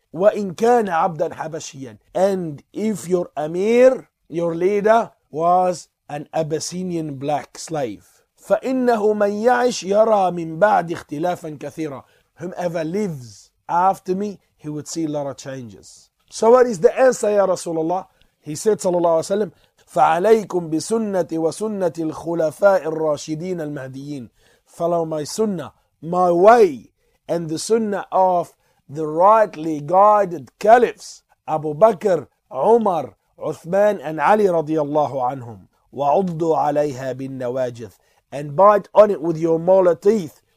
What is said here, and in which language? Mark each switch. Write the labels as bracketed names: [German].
[Arabic] Wa in kana abdan habashiyan. [English] And if your amir, your leader, was an Abyssinian black slave. [Arabic] فَإِنَّهُ مَنْ يَعِشْ يَرَى مِنْ بَعْدِ اخْتِلَافًا كَثِيرًا. [English] Whomever lives after me, he would see a lot of changes. So what is the answer, Ya Rasulullah? He said, sallallahu alayhi wa sallam, [Arabic] فعليكم بسنة وسنة الخلفاء الراشدين المهديين. [English] Follow my sunnah, my way, and the sunnah of the rightly guided caliphs, Abu Bakr, Umar, Uthman, and Ali radiallahu anhum. [Arabic] وعضوا عليها بالنواجذ, [English] and bite on it with your molar teeth.